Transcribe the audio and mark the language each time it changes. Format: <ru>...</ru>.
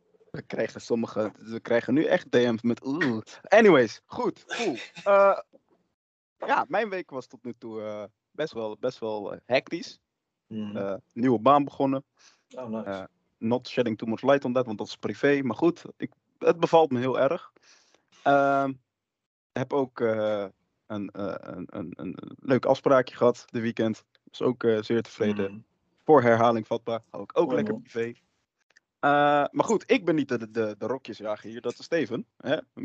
<nl>We krijgen nu echt DM's met... Anyways, goed. Cool. Ja, mijn week was tot nu toe best wel hectisch. Nieuwe baan begonnen.</nl> <en>Oh, nice. Not shedding too much light on that,</en> <nl>want dat is privé. Maar goed, het bevalt me heel erg. Heb ook een leuk afspraakje gehad de weekend. Was ook zeer tevreden. Mm. Voor herhaling vatbaar. Hou ik ook lekker privé. Maar goed, ik ben niet de rokjesjager hier. Dat is Steven. Hè?</nl>